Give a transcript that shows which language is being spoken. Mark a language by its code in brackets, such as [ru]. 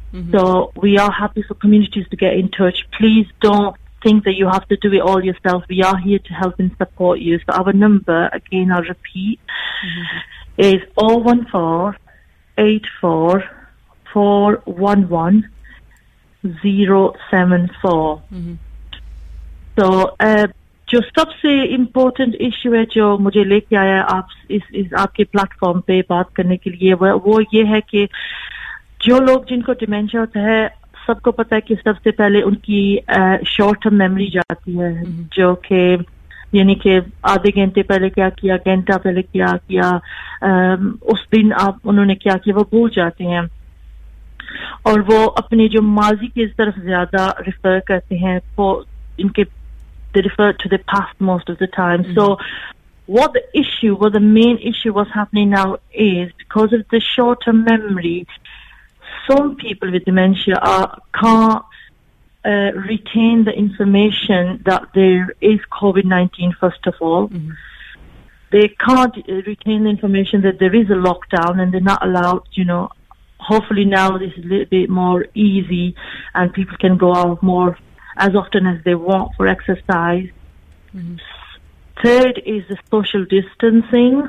[en] So we are happy for communities to get in touch. Please don't think that you have to do it all yourself. We are here to help and support you. So our number, again, I'll repeat, is 014-84-411-074. [hi] So जो सबसे important issue है जो मुझे लेके आया है आप इस आपके platform पे बात करने के लिए वो ये है कि जो लोग जिनको dementia होता है सबको पता है कि सबसे पहले उनकी short term memory जाती है जो कि यानी कि आधे घंटे पहले क्या किया घंटा पहले क्या किया उस दिन आप उन्होंने क्या किया वो भूल जाते हैं और वो अपने जो माजी की इस तरफ ज्यादा रिफर करते हैं वो इनके [en] They refer to the past most of the time. So what the issue what the main issue was happening now is because of the short term memory some people with dementia are can't retain the information that there is COVID-19, first of all. They can't retain the information that there is a lockdown and they're not allowed, you know. Hopefully now this is a little bit more easy and people can go out more as often as they want for exercise. Third is the social distancing.